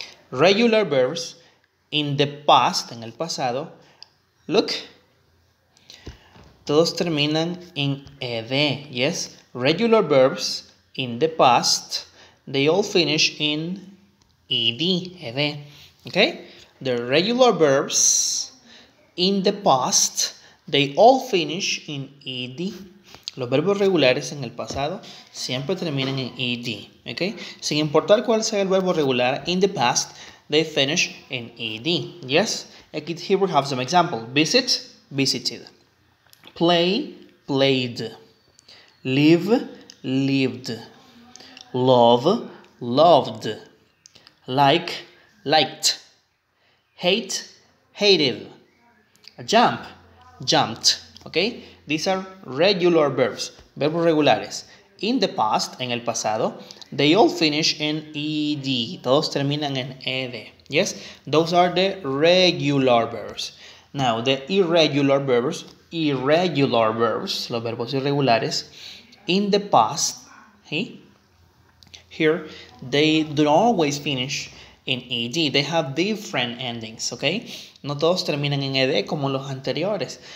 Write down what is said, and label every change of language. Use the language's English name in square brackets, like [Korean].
[English] Regular verbs in the past, [Spanish] en el pasado, [English] look, [Spanish] todos terminan en ed, [English] yes? Regular verbs in the past, they all finish in ed, ed, okay? The regular verbs in the past, they all finish in ed. [Spanish] Los verbos regulares en el pasado siempre terminan en ed, okay? Sin importar cuál sea el verbo regular, [English] in the past, they finish in ed, yes? Here we have some examples. Visit, visited. Play, played. Live, lived. Love, loved. Like, liked. Hate, hated. Jump, jumped, okay? These are regular verbs, [Spanish] verbos regulares. [English] In the past, [Spanish] en el pasado, [English] they all finish in ed. [Spanish] Todos terminan en ed. Yes? [English] Those are the regular verbs. Now, the irregular verbs, [Spanish] los verbos irregulares, [English] in the past, here, they don't always finish in ed. They have different endings, okay? [Spanish] No todos terminan en ed como los anteriores.